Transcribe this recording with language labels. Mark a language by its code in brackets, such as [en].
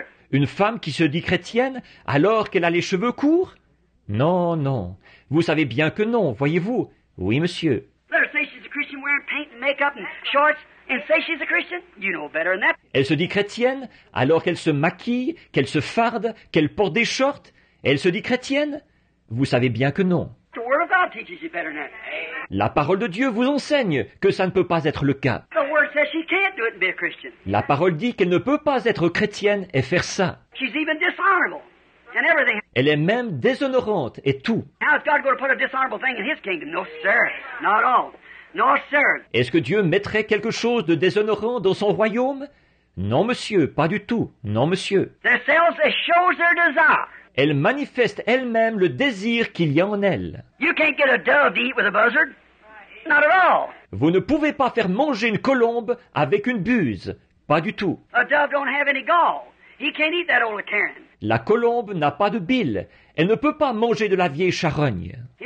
[fr] Une femme qui se dit chrétienne alors qu'elle a les cheveux courts? Non, non, vous savez bien que non, voyez-vous. Oui, monsieur. [en] Let her say she's a Christian wearing paint and makeup and shorts and say she's a Christian. You know better than that. [fr] Elle se dit chrétienne alors qu'elle se maquille, qu'elle se farde, qu'elle porte des shorts. Elle se dit chrétienne? Vous savez bien que non. [en] The word of God teaches you better than that. [fr] La parole de Dieu vous enseigne que ça ne peut pas être le cas. [en] The word says she can't do it and be a Christian. [fr] La parole dit qu'elle ne peut pas être chrétienne et faire ça. [en] She's even dishonorable. And everything. [fr] Elle est même déshonorante et tout. [en] How is God going to put a dishonorable thing in his kingdom? No, sir. Not all. No, sir. [fr] Est-ce que Dieu mettrait quelque chose de déshonorant dans son royaume? Non, monsieur, pas du tout. Non, monsieur. [en] Themselves, it shows their desire. [fr] Elle manifeste elle-même le désir qu'il y a en elle. [en] You can't get a dove to eat with a buzzard. Not at all. [fr] Vous ne pouvez pas faire manger une colombe avec une buse. Pas du tout. [en] A dove don't have any gall. He can't eat that old Karen. [fr] La colombe n'a pas de bile. Elle ne peut pas manger de la vieille charogne.